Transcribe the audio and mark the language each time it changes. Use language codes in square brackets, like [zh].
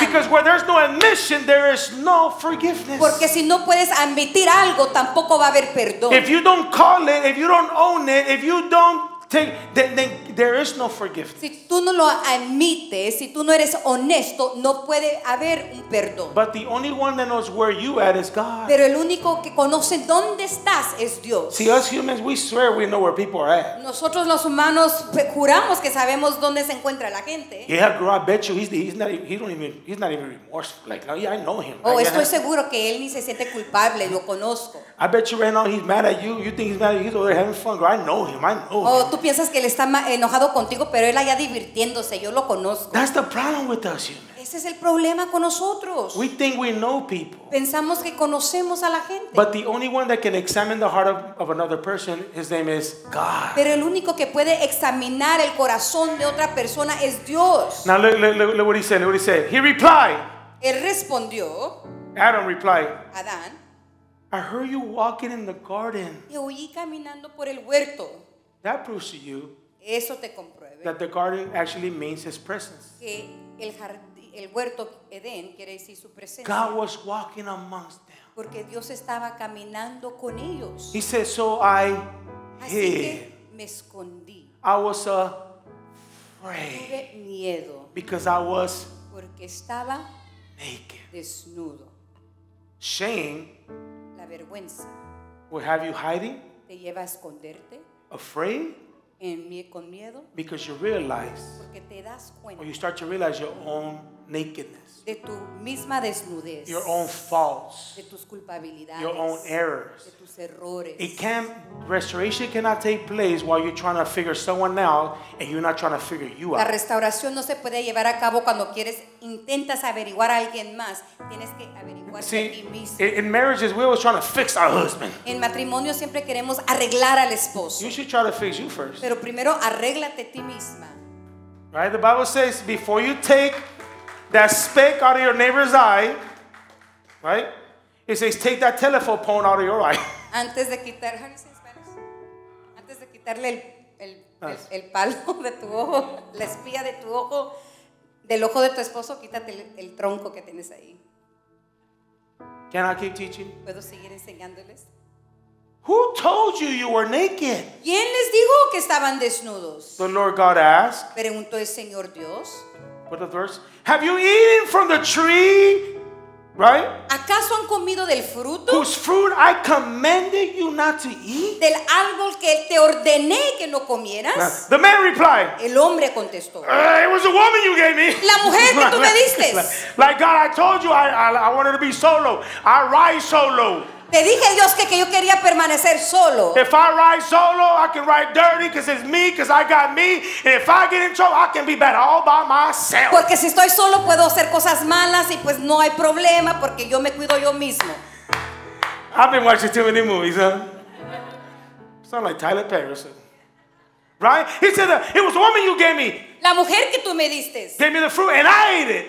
[en] Because where there's no admission, there is no forgiveness. [es] Porque si no puedes admitir algo, tampoco va a haber perdón. [en] If you don't call it, if you don't own it, if you don't take, then there is no forgiveness. [es] Si tú no lo admites, si tú no eres honesto, no puede haber un perdón. [en] But the only one that knows where you at is God. [es] Pero el único que conoce dónde estás es Dios. [en] See, us humans, we swear we know where people are at. [es] Nosotros los humanos juramos que sabemos dónde se encuentra la gente. [en] Yeah, girl, I bet you he's not even remorseful. Like, no, yeah, I know him. Oh, like, [es] estoy [en] yeah. [es] Seguro que él ni se siente culpable. Lo conozco. [en] I bet you right now he's mad at you. You think he's mad at you? He's over there having fun. Girl, I know him. I know him. [es] Oh, tú piensas que él está enojado contigo, pero él allá divirtiéndose. Yo lo conozco. [en] That's the problem with us, you know. [es] Ese es el problema con nosotros. [en] We think we know people. [es] Pensamos que conocemos a la gente. [en] But the only one that can examine the heart of another person, his name is God. [es] Pero el único que puede examinar el corazón de otra persona es Dios. [en] Now look what he said. Look what he said. He replied. [es] Él respondió. [en] Adam replied. [es] Adán. [en] I heard you walking in the garden. [es] Y oí caminando por el huerto. [en] That proves to you [es] eso te compruebe [en] that the garden actually means his presence. [es] Que el jardín, el huerto Edén quiere decir su presencia. [en] God was walking amongst them. [es] Porque Dios estaba caminando con ellos. [en] He said, so I hid. [es] Así que me escondí. [en] I was afraid. [es] Tuve miedo. [en] Because I was [es] porque estaba [en] naked. [es] Desnudo. [en] Shame. [es] La vergüenza. [en] Will have you hiding? [es] Te lleva a esconderte. [en] Afraid? [es] Con miedo. [en] Because you realize. [es] Porque te das cuenta. [en] Or you start to realize your own nakedness. [es] De tu misma desnudez. [en] Your own faults. [es] De tus culpabilidades. [en] Your own errors. [es] De tus errores. [en] It can't, restoration cannot take place while you're trying to figure someone out and you're not trying to figure you out. [es] La restauración no se puede llevar a cabo cuando quieres intentas averiguar a alguien más. Tienes que averiguar a ti mismo. [en] In marriages, we're always trying to fix our husband. [es] En matrimonio siempre queremos arreglar al esposo. [en] You should try to fix you first. [es] Pero primero arréglate ti misma. [en] Right? The Bible says, before you take that speck out of your neighbor's eye, right? It says, take that telephone pole out of your eye. [es] Antes de quitar, [en] how do you say Spanish? [es] Antes de quitarle el palo de tu ojo, la espía de tu ojo, del ojo de tu esposo, quítate el tronco que tienes ahí. [en] Can I keep teaching? [es] ¿Puedo seguir enseñándoles? [en] Who told you were naked? [es] ¿Quién les dijo que estaban desnudos? [en] The Lord God asked. [es] Preguntó el Señor Dios. [en] What the verse? Have you eaten from the tree? Right? [es] ¿Acaso han comido del fruto? [en] Whose fruit I commanded you not to eat? [es] Del árbol que te ordené que no comieras. [en] Now, the man replied. [es] El hombre contestó. [en] It was the woman you gave me. [es] La mujer que tú me diste. [en] Like God, I told you I wanted to be solo. I ride solo. [es] Te dije a Dios que yo quería permanecer solo. [en] If I ride solo, I can ride dirty because it's me, because I got me. And if I get in trouble, I can be bad all by myself. [es] Porque si estoy solo, puedo hacer cosas malas y pues no hay problema porque yo me cuido yo mismo. [en] I've been watching too many movies, huh? Sound like Tyler Perry. Right? He said, it was the woman you gave me. [es] La mujer que tú me diste. [en] Gave me the fruit and I ate it.